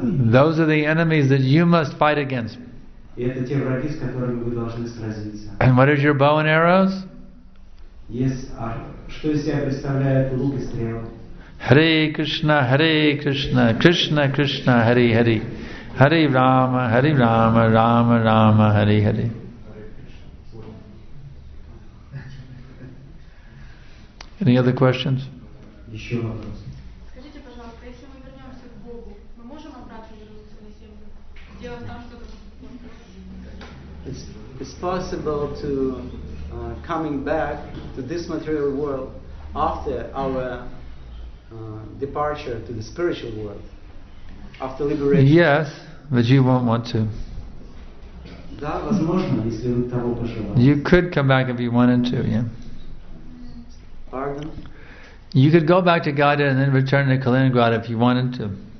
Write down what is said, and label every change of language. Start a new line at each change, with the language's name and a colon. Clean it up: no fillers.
English: Those are the enemies that you must fight against.
Russian: это те враги, с которыми вы должны сразиться.
English: And what is your bow and arrows?
Russian: Yes, что из себя представляет лук и стрелы?
Sanskrit: Hare Krishna, Krishna Krishna, Hare Hare. Hare Rama, Hare Rama, Rama Rama, Hare Hare.
English: Any other questions?
Russian: Еще вопрос. Скажите, пожалуйста, если мы вернемся к Богу, мы можем обратно вернуться на землю? Сделать там что-то?
English: It's possible to coming back to this material world after our departure to the spiritual world, after liberation. Yes, but you won't want to.
Russian: Да, возможно, если вы того пожелаете.
English: You could come back if you wanted to, yeah. Pardon? You could go back to Gaudiya and then return to Kaliningrad if you wanted to.